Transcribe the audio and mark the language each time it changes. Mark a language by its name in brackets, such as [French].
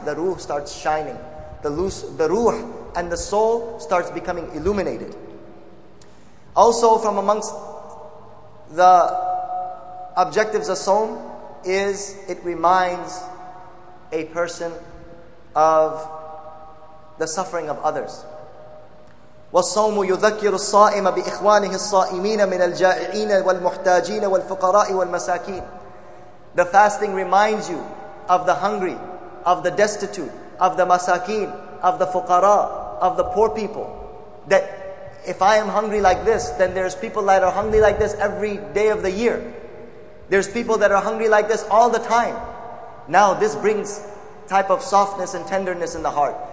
[English] The ruh starts shining. The ruh and the soul starts becoming illuminated. Also, from amongst the objectives of sawm is it reminds a person of the suffering of others. [Arabic] والصوم يذكر الصائم بإخوانه الصائمين من الجائعين والمحتاجين والفقراء والمساكين. [English] The fasting reminds you of the hungry, of the destitute, of the masakin, of the fuqara, of the poor people. That if I am hungry like this, then there's people that are hungry like this every day of the year. There's people that are hungry like this all the time. Now this brings type of softness and tenderness in the heart.